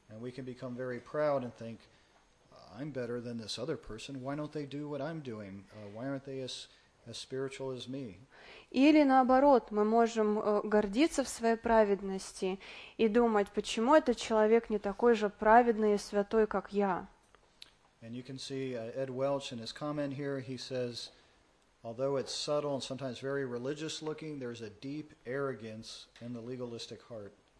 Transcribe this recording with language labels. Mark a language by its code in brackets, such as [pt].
[en] And we can become very proud and think, I'm better than this other person. Why don't they do what I'm doing? Why aren't they as spiritual as me? [ru] Или наоборот, мы можем гордиться в своей праведности и думать, почему этот человек не такой же праведный и святой, как я. [en] And you can see Ed Welch in his comment here, he says, although it's subtle and sometimes very religious looking, there's a deep arrogance in the legalistic heart.